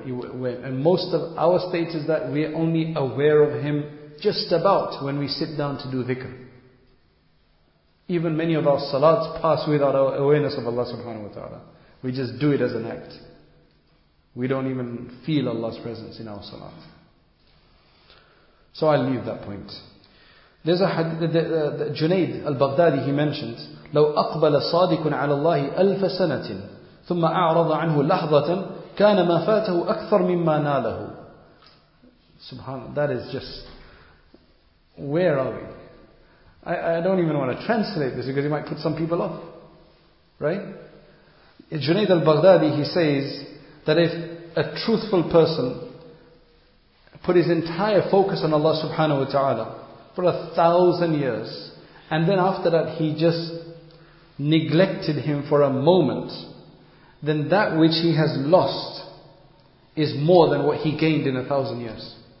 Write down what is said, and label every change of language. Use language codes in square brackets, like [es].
[en] And most of our state is that we're only aware of Him just about when we sit down to do dhikr. Even many of our salats pass without our awareness of Allah subhanahu wa ta'ala. We just do it as an act. We don't even feel Allah's presence in our salat. So I'll leave that point. There's a hadith that Junaid al-Baghdadi, he mentions, [ar] لو أقبل صادق على الله ألف سنة ثم أعرض عنه لحظة كان ما فاته أكثر مما ناله. [en] Subhanallah, that is just, where are we? I don't even want to translate this because it might put some people off. Right? Junaid al-Baghdadi, he says that if a truthful person put his entire focus on Allah subhanahu wa ta'ala for 1,000 years, and then after that he just neglected Him for a moment, then that which he has lost is more than what he gained in 1,000 years.